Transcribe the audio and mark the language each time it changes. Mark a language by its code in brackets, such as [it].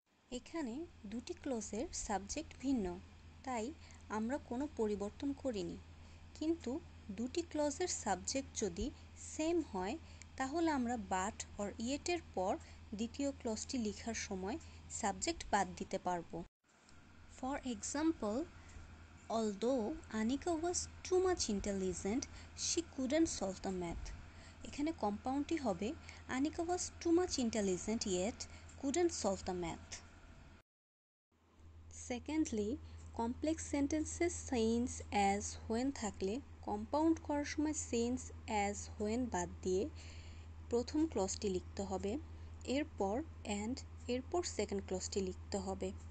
[bn] এখানে দুটি ক্লজের সাবজেক্ট ভিন্ন, তাই আমরা কোনো পরিবর্তন করিনি। কিন্তু দুটি ক্লজের সাবজেক্ট যদি সেম হয় তাহলে আমরা বাট অর ইয়েটের পর দ্বিতীয় ক্লজটি লিখার সময় সাবজেক্ট বাদ দিতে পারবো। [en] For example, although Anika was too much intelligent, she couldn't solve the math. [bn] এখানে কম্পাউন্ডটি হবে [en] Anika was too much intelligent yet couldn't solve the math. [bn] Secondly, complex sentences sense as when থাকলে কম্পাউন্ড করার সময় সেন্স অ্যাজ হোয়েন বাদ দিয়ে প্রথম ক্লজটি লিখতে হবে, এরপর অ্যান্ড, এরপর সেকেন্ড ক্লজটি লিখতে হবে।